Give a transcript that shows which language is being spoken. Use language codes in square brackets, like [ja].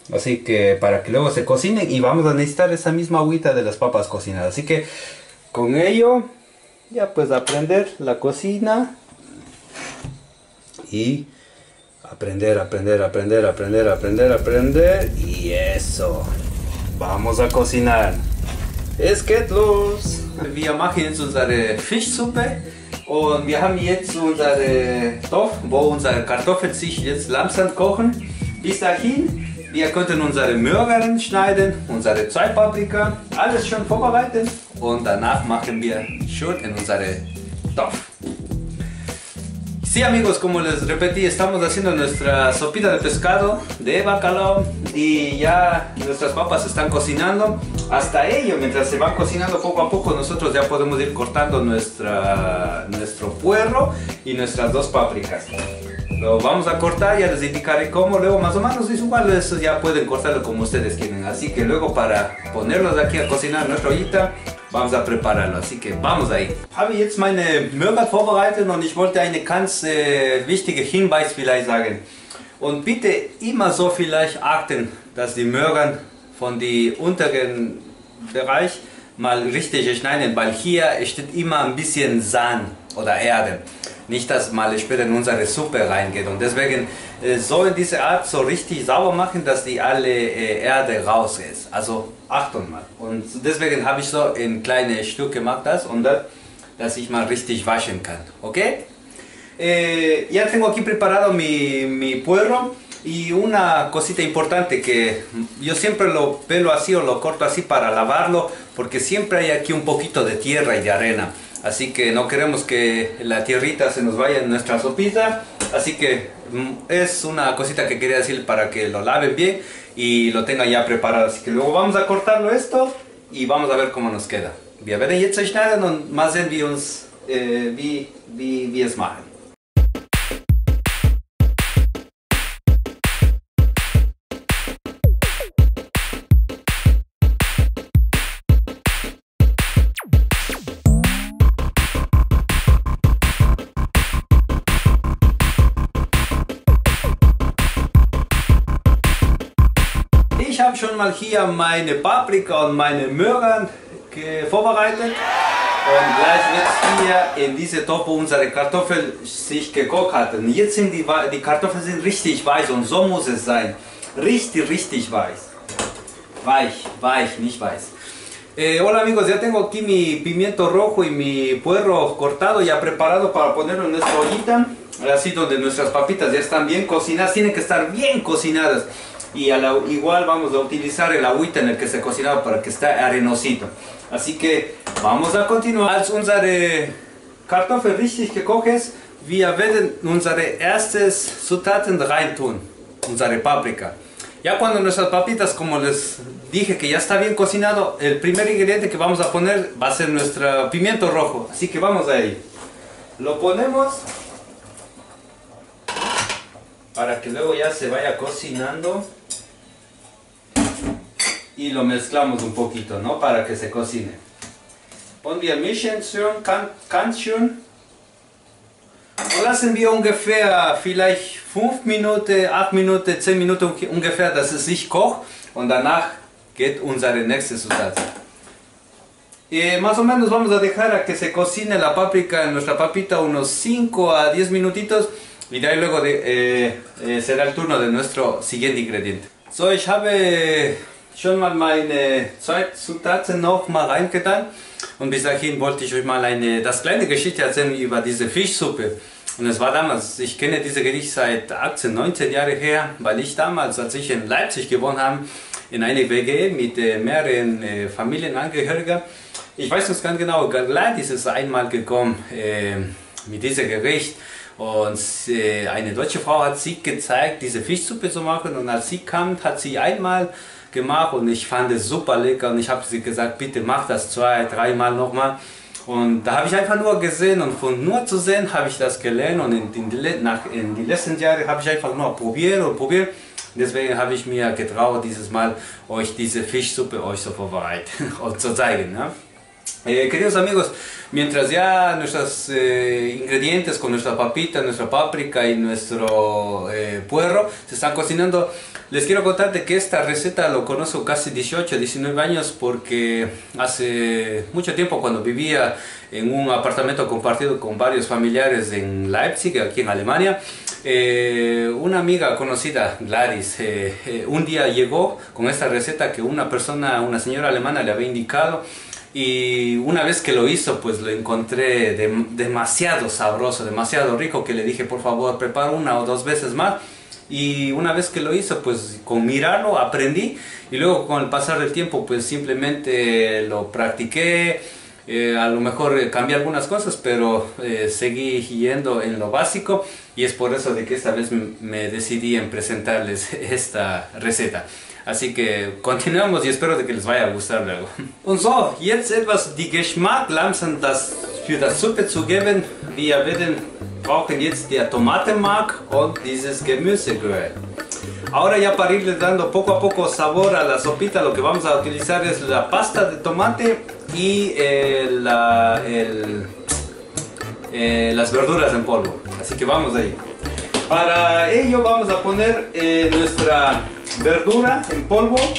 [es] Así que para que luego se cocinen, y vamos a necesitar esa misma agüita de las papas cocinadas. Así que con ello, ya pues aprender la cocina y aprender y eso, vamos a cocinar. Es que los [de] wir machen jetzt unsere Fischsuppe und wir haben jetzt unsere Topf, wo unsere Kartoffeln sich jetzt langsam kochen. Bis dahin, wir könnten unsere Möhren schneiden, unsere zwei Paprika, alles schon vorbereiten und danach machen wir schon in unsere Topf. [es] Sí, amigos, como les repetí, estamos haciendo nuestra sopita de pescado, de bacalao, y ya nuestras papas están cocinando. Hasta ello, mientras se va cocinando poco a poco, nosotros ya podemos ir cortando nuestro puerro y nuestras dos pápricas. Lo vamos a cortar, ya les indicaré cómo, luego más o menos, y igual eso ya pueden cortarlo como ustedes quieren. Así que luego, para ponerlos aquí a cocinar nuestra ollita, vamos a prepararlo, así que vamos ahí. [de] Habe jetzt meine Möhren vorbereitet und ich wollte eine ganz wichtige Hinweis vielleicht sagen. Und bitte immer so vielleicht achten, dass die Möhren von dem unteren Bereich mal richtig schneiden, weil hier steht immer ein bisschen Sand oder Erde. Nicht, dass mal später in unsere Suppe reingeht. Und deswegen soll diese Art so richtig sauber machen, dass die alle Erde raus ist. Also Achtung mal. Und deswegen habe ich so ein kleines Stück gemacht, dass ich mal richtig waschen kann. Okay? [es] Ya tengo aquí preparado mi puerro. Y una cosita importante que yo siempre lo pelo así o lo corto así para lavarlo, porque siempre hay aquí un poquito de tierra y de arena. Así que no queremos que la tierrita se nos vaya en nuestra sopita. Así que es una cosita que quería decir para que lo laven bien y lo tengan ya preparado. Así que luego vamos a cortarlo esto y vamos a ver cómo nos queda. [de] Wir werden jetzt schneiden und mal sehen wir uns, wie es machen. Ich habe schon mal hier meine Paprika und meine Möhren vorbereitet und gleich wird hier in diese Topf unsere Kartoffeln sich gekocht hatten. Jetzt sind die Kartoffeln sind richtig weiß und so muss es sein. Richtig weiß. Weich, nicht weiß. [es] Hola amigos, ya tengo aquí mi pimiento rojo y mi puerro cortado ya preparado para ponerlo en nuestra ollita. Así donde nuestras papitas ya están bien cocinadas, tienen que estar bien cocinadas. Y igual vamos a utilizar el agüita en el que se cocinaba para que esté arenosito. Así que vamos a continuar. [de] Als unsere Kartoffel richtig gekocht ist, wir werden unsere erstes Zutaten reintun. Unsere Paprika. [es] Ya cuando nuestras papitas, como les dije, que ya está bien cocinado, el primer ingrediente que vamos a poner va a ser nuestro pimiento rojo. Así que vamos ahí. Lo ponemos para que luego ya se vaya cocinando. Y lo mezclamos un poquito, ¿no? Para que se cocine. [de] Un día mischen, kanchun. [es] O las envío [de] ungefähr, vielleicht 5 Minuten, 8 Minuten, 10 Minuten ungefähr, dass es sich kocht. Und danach geht unsere nächste Zutat. [es] Más o menos vamos a dejar a que se cocine la paprika, nuestra papita, unos 5 a 10 minutitos. Y de ahí luego será el turno de nuestro siguiente ingrediente. [de] So, ich habe schon mal meine zwei Zutaten noch mal reingetan. Und bis dahin wollte ich euch mal das kleine Geschichte erzählen über diese Fischsuppe. Und es war damals, ich kenne dieses Gericht seit 18, 19 Jahren her, weil ich damals, als ich in Leipzig gewohnt habe, in eine WG mit mehreren Familienangehörigen, ich weiß es ganz genau, Gladys ist einmal gekommen mit diesem Gericht. Und eine deutsche Frau hat sie gezeigt, diese Fischsuppe zu machen. Und als sie kam, hat sie einmal gemacht und ich fand es super lecker und ich habe sie gesagt, bitte mach das zwei, dreimal nochmal. Und da habe ich einfach nur gesehen und von nur zu sehen habe ich das gelernt und in die letzten Jahre habe ich einfach nur probiert. Deswegen habe ich mir getraut, dieses Mal euch diese Fischsuppe euch so vorbereitet und zu zeigen. Ne? [es] Queridos amigos, mientras ya nuestros ingredientes con nuestra papita, nuestra paprika y nuestro puerro se están cocinando, les quiero contarte que esta receta lo conozco casi 18, 19 años porque hace mucho tiempo cuando vivía en un apartamento compartido con varios familiares en Leipzig, aquí en Alemania, una amiga conocida, Gladys, un día llegó con esta receta que una persona, una señora alemana le había indicado. Y una vez que lo hizo, pues lo encontré demasiado sabroso, demasiado rico, que le dije, por favor, prepara una o dos veces más. Y una vez que lo hizo, pues con mirarlo aprendí. Y luego con el pasar del tiempo, pues simplemente lo practiqué. A lo mejor cambié algunas cosas, pero seguí yendo en lo básico. Y es por eso de que esta vez me decidí en presentarles esta receta. Así que continuamos y espero de que les vaya a gustar luego. [de] Und so, jetzt etwas die Geschmack langsam das für das Suppe zu geben. Wir werden brauchen jetzt der Tomatenmark und dieses Gemüsegröl. [es] Ahora ya para irle dando poco a poco sabor a la sopita, lo que vamos a utilizar es la pasta de tomate y las verduras en polvo. Así que vamos ahí. Para ello vamos a poner nuestra verdura en polvo.